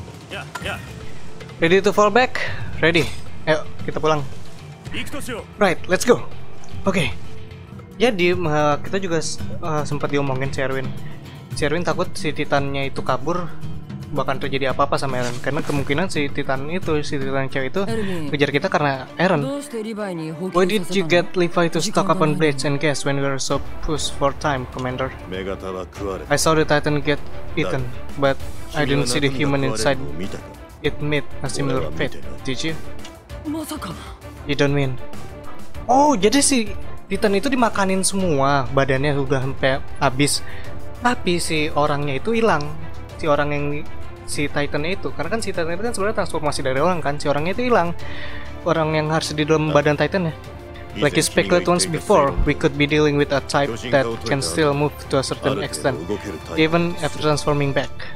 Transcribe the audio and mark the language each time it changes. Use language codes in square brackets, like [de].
[en] Ya, ya. Ready to fall back? Ready. [id] Ayo, kita pulang. [en] Right, let's go. Oke. Okay. [id] Jadi kita juga sempat diomongin si Erwin. Si Erwin takut si Titannya itu kabur, bahkan terjadi apa-apa sama Eren, karena kemungkinan si Titan itu, si Titan cewek itu kejar kita karena Eren. [en] Why did you get Levi to stock up on bridge and gas when we were so pushed for time, Commander? I saw the Titan get eaten, but I didn't see the human inside. It met a similar fate, did you? You don't mean. [id] Oh, jadi si Titan itu dimakanin semua, badannya udah sampai habis, tapi si orangnya itu hilang. Si orang yang si Titan itu, karena kan si Titan itu kan sebenarnya transformasi dari orang kan, si orangnya itu hilang. Orang yang harus di dalam badan Titan ya. [en] Like you speculated once before, we could be dealing with a type that can still move to a certain extent, even after transforming back.